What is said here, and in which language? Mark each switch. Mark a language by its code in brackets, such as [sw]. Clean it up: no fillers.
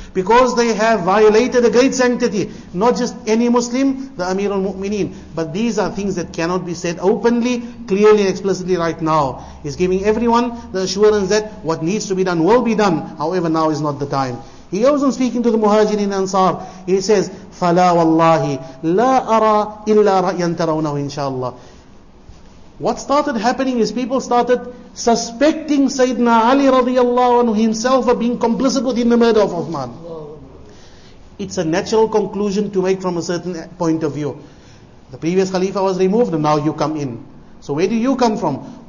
[en] Because they have violated a great sanctity. Not just any Muslim, the Amir al-Mu'mineen. But these are things that cannot be said openly, clearly and explicitly right now. He's giving everyone the assurance that what needs to be done will be done. However, now is not the time. He goes on speaking to the Muhajirin Ansar. He says, [ar] فَلَا وَاللَّهِ لَا أَرَى إِلَّا رَأْيًا تَرَوْنَهُ inshallah. [en] What started happening is people started suspecting Sayyidina Ali radiallahu anhu himself of being complicit within the murder of Uthman. It's a natural conclusion to make from a certain point of view. The previous Khalifa was removed and now you come in. So where do you come from?